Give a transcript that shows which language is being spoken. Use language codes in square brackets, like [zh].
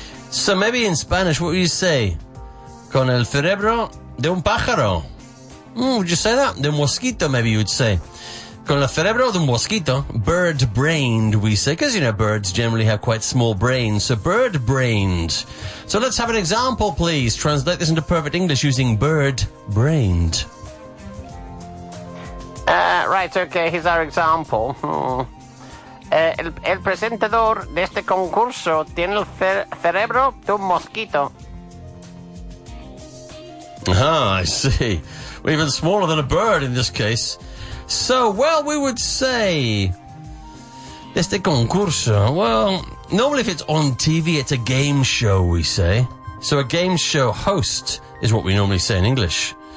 [en] So maybe in Spanish, what would you say? [es] Con el cerebro de un pájaro. [en] Would you say that? [es] De mosquito, [en] maybe you would say. [es] Con el cerebro de un mosquito. [en] Bird-brained, we say. Because, you know, birds generally have quite small brains. So, bird-brained. So, let's have an example, please. Translate this into perfect English using bird-brained. Right, okay. Here's our example. [es] El presentador de este concurso tiene el cerebro de un mosquito. [en] Ah, I see. Even smaller than a bird in this case. So, well, we would say, [es] este concurso. [en] Well, normally if it's on TV, it's a game show, we say. So a game show host is what we normally say in English.